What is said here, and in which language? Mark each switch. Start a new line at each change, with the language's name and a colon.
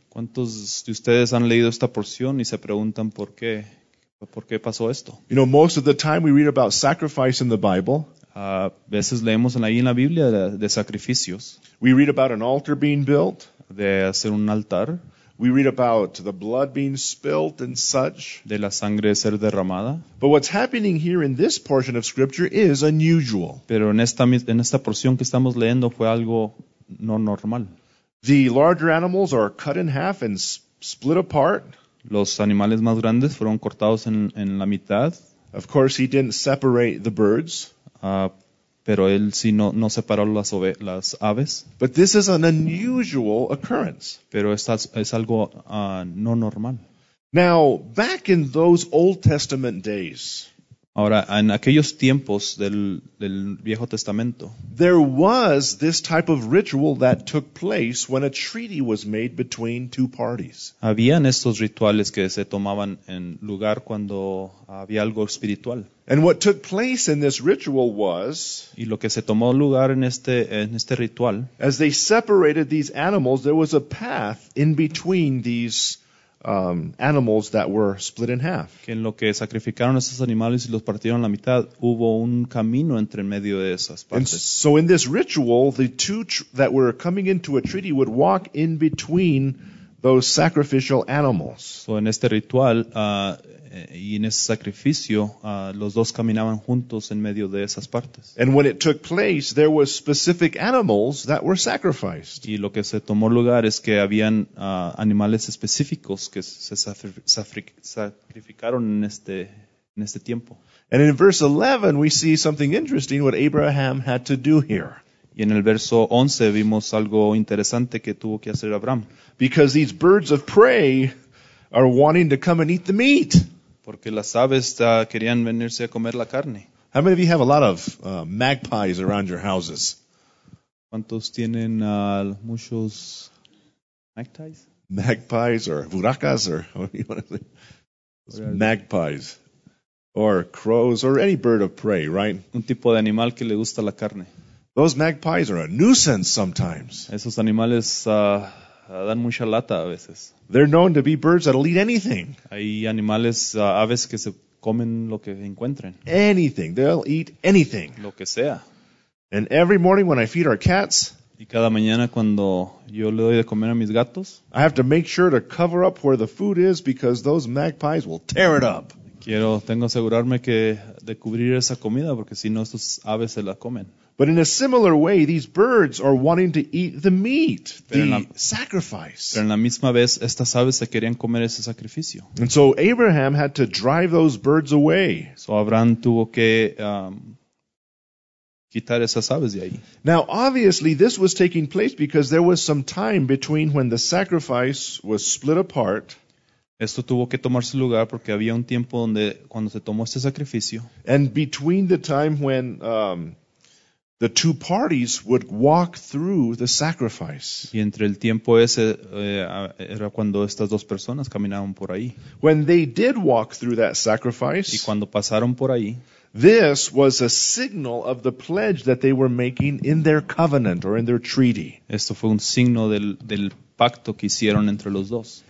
Spanish: ¿Cuántos de ustedes han leído esta porción y se preguntan por qué? ¿Por qué pasó esto?
English: You know, most of the time we read about sacrifice in the Bible.
Spanish: A veces leemos ahí en la Biblia de sacrificios.
English: We read about an altar being built.
Spanish: De hacer un altar.
English: We read about the blood being spilt and such.
Spanish: De la sangre ser derramada.
English: But what's happening here in this portion of Scripture is unusual.
Spanish: Pero en esta porción que estamos leyendo fue algo no normal.
English: The larger animals are cut in half and split apart.
Spanish: Los animales más grandes fueron cortados en la mitad.
English: Of course, he didn't separate the birds.
Spanish: Pero él sí no separó las aves.
English: But this is an unusual occurrence.
Spanish: Pero es algo no normal.
English: Now, back in those Old Testament days.
Spanish: Ahora, en aquellos tiempos del Viejo Testamento.
English: There was this type of ritual that took place when a treaty was made between two parties.
Spanish: Habían estos rituales que se tomaban en lugar cuando había algo espiritual.
English: And what took place in this ritual was,
Spanish: y lo que se tomó lugar en este ritual,
English: as they separated these animals, there was a path in between these animals that were split in half.
Spanish: Que en lo que sacrificaron esos animales y los partieron a la mitad, hubo un camino entre medio de esas partes.
English: And so in this ritual, the two that were coming into a treaty would walk in between those sacrificial animals.
Spanish: So en este ritual y en ese sacrificio, los dos caminaban juntos en medio de esas partes.
English: And when it took place, there were specific animals that were sacrificed.
Spanish: Y lo que se tomó lugar es que habían animales específicos que se sacrificaron en este tiempo.
English: And in verse 11, we see something interesting what Abraham had to do here.
Spanish: Y en el verso 11 vimos algo interesante que tuvo que hacer Abraham.
English: Because these birds of prey are wanting to come and eat the meat.
Spanish: Porque las aves querían venirse a comer la carne.
English: How many of you have a lot of magpies around your houses?
Spanish: ¿Cuántos tienen muchos magpies?
English: Magpies or huracas or magpies. Or crows or any bird of prey, right?
Spanish: Un tipo de animal que le gusta la carne.
English: Those magpies are a nuisance sometimes.
Spanish: Esos animales dan mucha lata a veces.
English: They're known to be birds that'll eat anything.
Spanish: Hay animales, aves que se comen lo que encuentren.
English: Anything. They'll eat anything.
Spanish: Lo que sea.
English: And every morning when I feed our cats,
Spanish: y cada mañana cuando yo le doy de comer a mis gatos,
English: I have to make sure to cover up where the food is because those magpies will tear it up.
Spanish: Tengo que asegurarme de cubrir esa comida porque si no, estos aves se la comen.
English: But in a similar way, these birds are wanting to eat the meat, sacrifice.
Spanish: Pero en la misma vez, estas aves se querían comer ese sacrificio.
English: And so Abraham had to drive those birds away.
Spanish: So Abraham tuvo que quitar esas aves de ahí.
English: Now, obviously, this was taking place because there was some time between when the sacrifice was split apart.
Spanish: Esto tuvo que tomarse lugar porque había un tiempo donde cuando se tomó este sacrificio.
English: And between the time when the two parties would walk through the sacrifice.
Spanish: Y entre el tiempo ese era cuando estas dos personas caminaban por ahí.
English: When they did walk through that sacrifice,
Spanish: y cuando pasaron por ahí,
English: this was a signal of the pledge that they were making in their covenant or in their treaty.
Spanish: Esto fue un signo del pacto que hicieron entre los dos.